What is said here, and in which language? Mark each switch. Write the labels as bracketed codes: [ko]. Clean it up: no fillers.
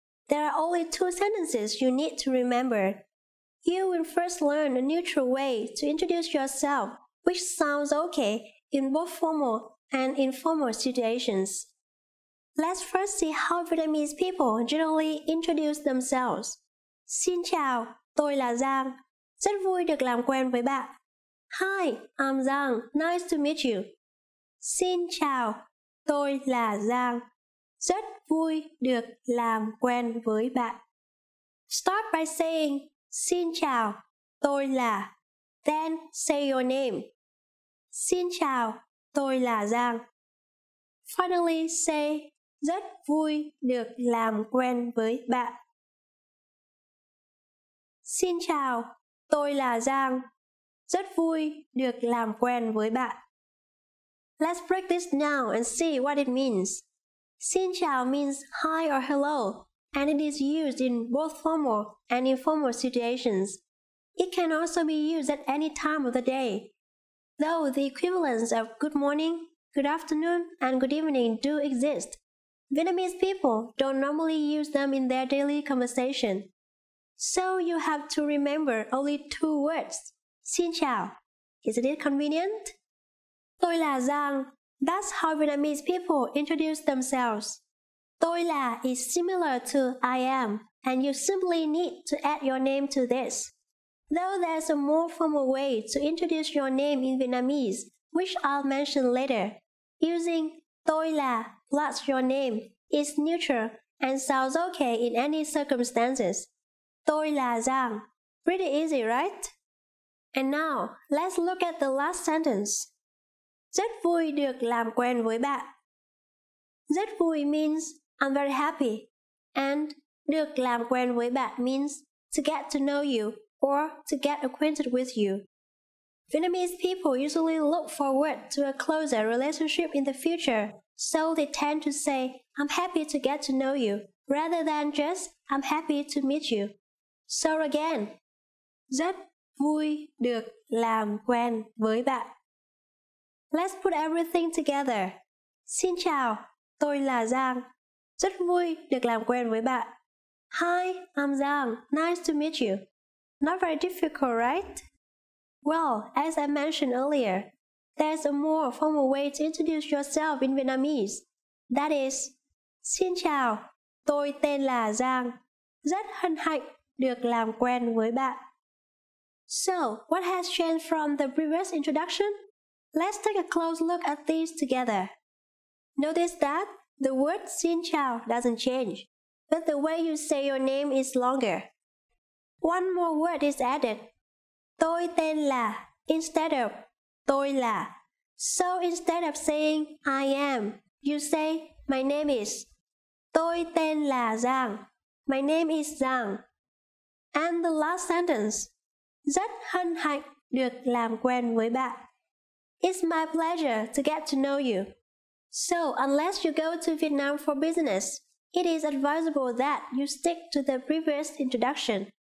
[en] There are only 2 sentences you need to remember. You will first learn a neutral way to introduce yourself, which sounds okay in both formal and informal situations. Let's first see how Vietnamese people generally introduce themselves. [vi] Xin chào, tôi là Giang. Rất vui được làm quen với bạn. [en] Hi, I'm Giang. Nice to meet you. [vi] Xin chào, tôi là Giang. Rất vui được làm quen với bạn. [en] Start by saying, [vi] Xin chào, tôi là. [en] Then say your name. [vi] Xin chào, tôi là Giang. [en] Finally say, [vi] Rất vui được làm quen với bạn. Xin chào, tôi là Giang. Rất vui được làm quen với bạn. [en] Let's break this down and see what it means. Xin chào means hi or hello, and it is used in both formal and informal situations. It can also be used at any time of the day, though the equivalents of good morning, good afternoon, and good evening do exist. Vietnamese people don't normally use them in their daily conversation. So you have to remember only 2 words. Xin chào. Isn't it convenient? [vi] Tôi là Giang. [en] That's how Vietnamese people introduce themselves. Tôi là is similar to I am, and you simply need to add your name to this. Though there's a more formal way to introduce your name in Vietnamese, which I'll mention later, using tôi là plus your name is neutral and sounds okay in any circumstances. [vi] Tôi là Giang. [en] Pretty easy, right? And now, let's look at the last sentence. [vi] Rất vui được làm quen với bạn. [en] Rất vui means I'm very happy, and được làm quen với bạn means to get to know you or to get acquainted with you. Vietnamese people usually look forward to a closer relationship in the future, so they tend to say I'm happy to get to know you rather than just I'm happy to meet you. So again, [vi] rất vui được làm quen với bạn. [en] Let's put everything together. [vi] Xin chào, tôi là Giang. Rất vui được làm quen với bạn. [en] Hi, I'm Giang. Nice to meet you. Not very difficult, right? Well, as I mentioned earlier, there's a more formal way to introduce yourself in Vietnamese. That is, [vi] Xin chào, tôi tên là Giang. Rất hân hạnh được làm quen với bạn. [en] So, what has changed from the previous introduction? Let's take a close look at these together. Notice that the word Xin chào doesn't change, but the way you say your name is longer. One more word is added. [vi] Tôi tên là [en] instead of [vi] tôi là. [en] So instead of saying I am, you say my name is. [vi] Tôi tên là Giang. [en] My name is Giang. And the last sentence. [vi] Rất hân hạnh được làm quen với bạn. [en] It's my pleasure to get to know you. So, unless you go to Vietnam for business, it is advisable that you stick to the previous introduction.